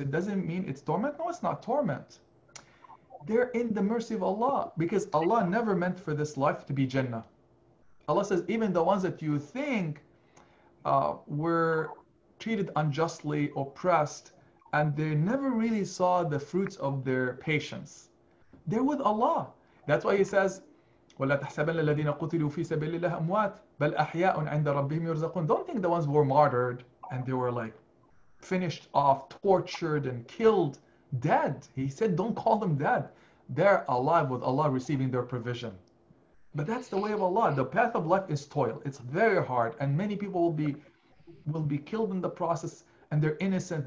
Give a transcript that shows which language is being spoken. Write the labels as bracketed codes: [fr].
[en] It doesn't mean it's torment. No, it's not torment. They're in the mercy of Allah, because Allah never meant for this life to be Jannah. Allah says, even the ones that you think were treated unjustly, oppressed, and they never really saw the fruits of their patience, they're with Allah. That's why he says, [ar] وَلَا تَحْسَبَنَّ الَّذِينَ قُتِلُوا فِي سَبِيلِ اللَّهِ أَمْوَاتٍ بَلْ أَحْيَاءٌ عِنْدَ رَبِّهِمْ يُرْزَقُونَ. [en] Don't think the ones were martyred and they were like finished off, tortured and killed, dead. He said, don't call them dead. They're alive with Allah, receiving their provision. But that's the way of Allah. The path of life is toil. It's very hard. And many people will be killed in the process, and they're innocent.